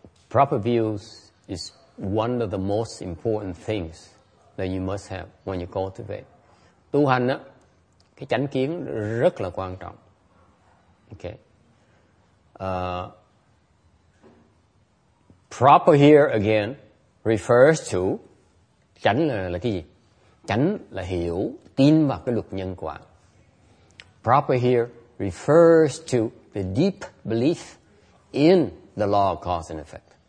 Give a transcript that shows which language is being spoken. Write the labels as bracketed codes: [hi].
[en] Proper views is one of the most important things that you must have when you cultivate. [vi] Tu hành á, cái chánh kiến rất là quan trọng. Okay. [en] Proper here again refers to [vi] chánh là cái gì? Chánh là hiểu, tin vào cái luật nhân quả. [en] Proper here refers to the deep belief in the law of cause and effect.